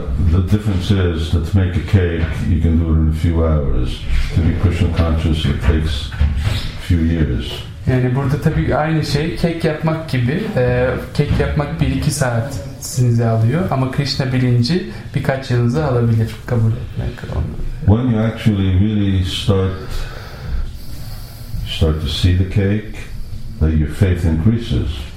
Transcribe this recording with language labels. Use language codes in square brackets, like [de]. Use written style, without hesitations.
[en] The difference is that to make a cake you can do it in a few hours. To be Krishna conscious it takes a few years. [tr] Yani burada tabii aynı şey kek yapmak gibi. Kek yapmak 1-2 saat sizi alıyor ama Krishna bilinci birkaç yılınızı alabilir kabul etmek. [en] When you actually really start to see the cake, that your faith increases.